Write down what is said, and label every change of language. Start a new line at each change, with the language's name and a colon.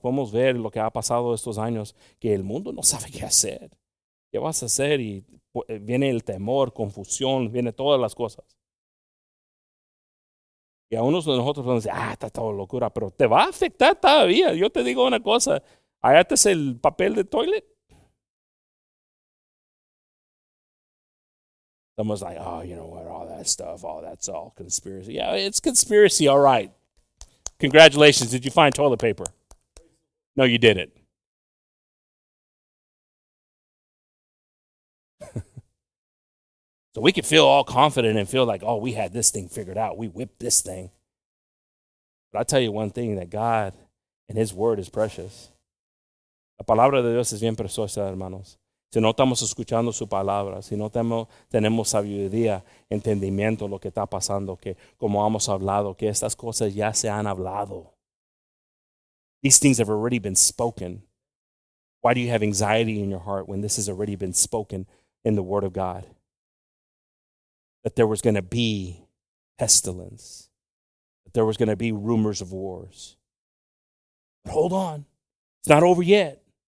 Spanish: Podemos ver lo que ha pasado estos años, que el mundo no sabe qué hacer. ¿Qué vas a hacer? Y viene el temor, confusión, viene todas las cosas. Y a unos de nosotros van a decir, está todo locura, pero te va a afectar todavía. Yo te digo una cosa, allá te es el papel de toilet.
English: Someone's like, oh, you know what, all that stuff, oh, that's all conspiracy. Yeah, it's conspiracy, all right. Congratulations, did you find toilet paper? No, you didn't. So we could feel all confident and feel like, oh, we had this thing figured out. We whipped this thing. But I'll tell you one thing, that God and his word is precious.
Spanish: La palabra de Dios es bien preciosa, hermanos. Si no estamos escuchando su palabra, si no tenemos sabiduría, entendimiento de lo que está pasando, que como hemos hablado, que estas cosas ya se han hablado.
English: These things have already been spoken. Why do you have anxiety in your heart when this has already been spoken in the Word of God? That there was going to be pestilence, that there was going to be rumors of wars. But hold on, it's not over yet.